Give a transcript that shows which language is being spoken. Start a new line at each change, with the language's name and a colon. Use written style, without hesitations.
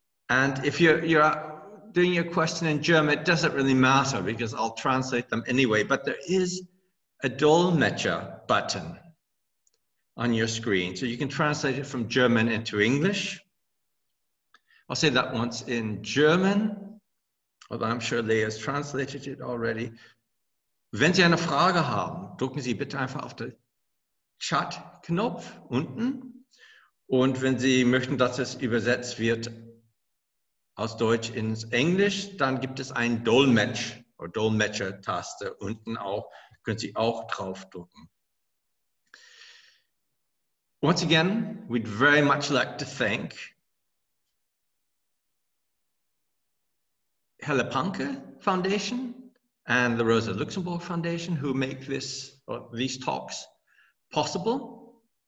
English: And if you're doing your question in German, it doesn't really matter because I'll translate them anyway, but there is a Dolmetscher button on your screen. So you can translate it from German into English. I'll say that once in German, although I'm sure Leah's translated it already.
German: Wenn Sie eine Frage haben, drücken Sie bitte einfach auf den Chat-Knopf unten. Und wenn Sie möchten, dass es übersetzt wird aus Deutsch ins Englisch, dann gibt es einen Dolmetsch oder Dolmetscher-Taste unten auch. Können Sie auch drauf drücken.
English: Once again, we'd very much like to thank Helle Panke Foundation and the Rosa-Luxemburg Foundation who make this or these talks possible.